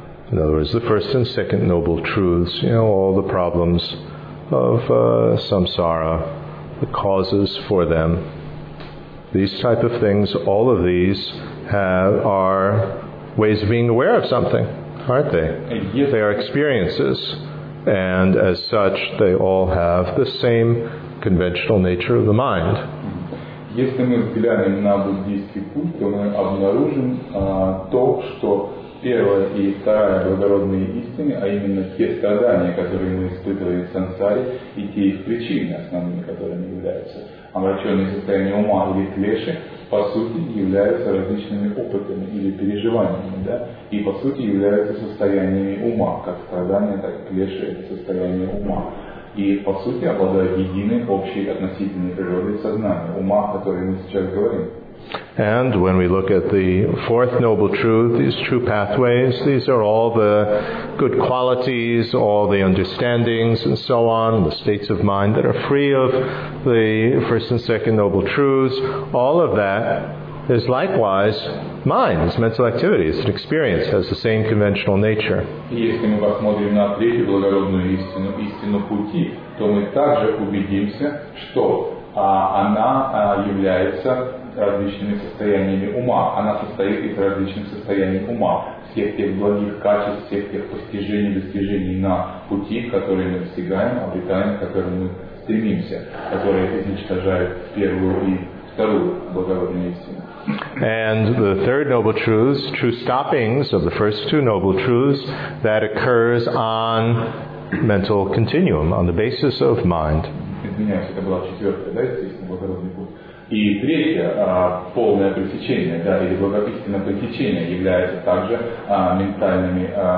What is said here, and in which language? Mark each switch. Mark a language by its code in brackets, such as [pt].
[en] in other words, the first and second noble truths, you know, all the problems of samsara, the causes for them, these type of things, all of these are ways of being aware of something, aren't they? Yes. They are experiences, and as such, they all have the same conventional nature of the mind. [ru] Если мы взглянем на буддийский путь, то мы обнаружим то, что первая и вторая благородные истины, а именно те страдания, которые мы испытываем в сансаре, и те их причины, основными которыми являются омраченные состояния ума или клеши, по сути являются различными опытами или переживаниями, да, и по сути являются состояниями ума, как страдания, так и клеши, это состояние ума, и по сути обладают единой общей относительной природой сознания, ума, о которой мы сейчас говорим. [en] And when we look at the fourth noble truth, these true pathways, these are all the good qualities, all the understandings and so on, the states of mind that are free of the first and second noble truths, all of that is likewise mind, it's mental activity, it's an experience, has the same conventional nature. [ru] Если мы посмотрим на третью благородную истину, истину пути, то мы также убедимся, что она является различными состояниями ума. Она состоит из различных состояний ума, всех тех благих качеств, всех тех постижений, достижений на пути, которые мы достигаем, обретаем, к которым мы стремимся, которые уничтожают первую и вторую благородные истины. [en] And the third noble truth, true stoppings of the first two noble truths, that occurs on mental continuum, on the basis of mind. [ru] Извиняюсь, это была четвертая, да, естественно, благородный путь. И третье, полное пресечение, да, или благопистинное пресечение является также ментальными...